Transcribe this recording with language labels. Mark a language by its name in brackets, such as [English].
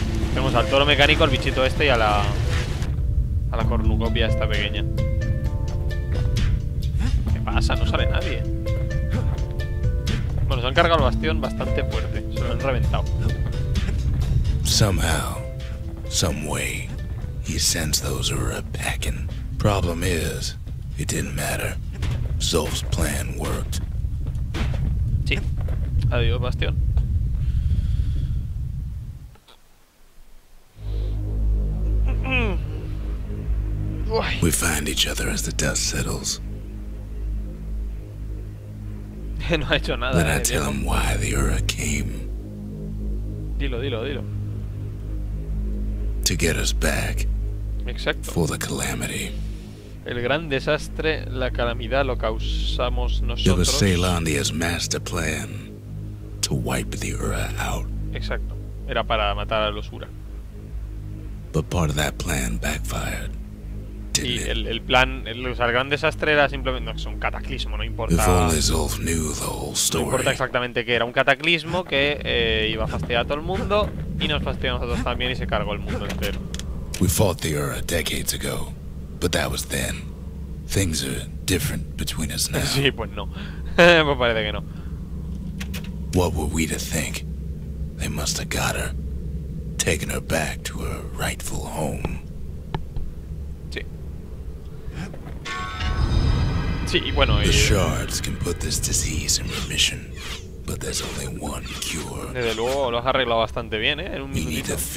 [Spanish] Tenemos al toro mecánico, al bichito este y a la cornucopia esta pequeña. ¿Qué pasa? No sale nadie. Bueno, se han cargado el bastión bastante fuerte. Se lo han reventado. [English] Somehow, some way, he sends those Ura packing. Problem is, it didn't matter. Zulf's plan worked. [Spanish] Sí. Adiós, bastión. [English] We find each other as the dust settles. [Spanish] No ha hecho nada. [English] Then I tell him why the Ura came. [Spanish] Dilo. [English] To get us back. [Spanish] Exacto. [English] For the calamity. [Spanish] El gran desastre, la calamidad lo causamos nosotros. [English] It was Ceylandia's master plan to wipe the Ura out. [Spanish] Exacto. Era para matar a los Ura. [English] But part of that plan backfired. [Spanish] Y el plan, el gran desastre era simplemente, no, es un cataclismo, no importa. No importa exactamente qué era, un cataclismo que iba a fastidiar a todo el mundo y nos fastidió a nosotros también y se cargó el mundo entero. [English] We fought the Ura decades ago, but that was then. Things are different between us now. [Spanish] Sí, pues no. Pues parece que no. [English] What were we to think? They must have got her, taken her back to her rightful home. [Spanish] Sí, bueno, [English] the shards can put this disease in remission. [Spanish] Desde luego lo has arreglado bastante bien, ¿eh? En un minutito.